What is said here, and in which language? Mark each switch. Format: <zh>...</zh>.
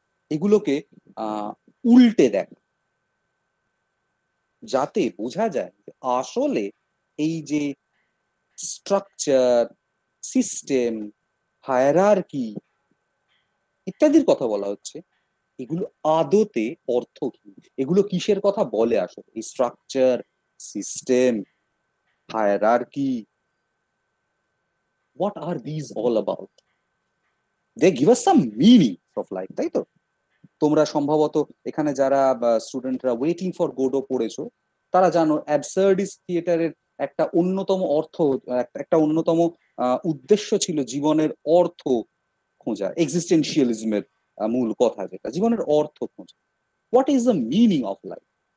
<bn>এগুলোকে উল্টে দেখা, যাতে বোঝা যায় আসলে এই যে স্ট্রাকচার, সিস্টেম, হায়ারার্কি ইত্যাদির কথা বলা হচ্ছে, এগুলো আদতে অর্থ কি, এগুলো কিসের কথা বলে আসলে, এই structure, system, hierarchy,</bn> <en>what are these all about? They give us some meaning of life,</en> <bn>তাই তো? তোমরা সম্ভবত এখানে যারা স্টুডেন্টরা ওয়েটিং ফর গোডো পড়েছো, তারা জানো অ্যাবসার্ডিস্ট থিয়েটারের একটা অন্যতম অর্থ, একটা অন্যতম উদ্দেশ্য ছিল জীবনের অর্থ খোঁজা, এক্সিস্টেন্সিয়ালিজমের মূল কথা যেটা, জীবনের অর্থ খোঁজা,</bn> <en>what is the meaning of life?</en>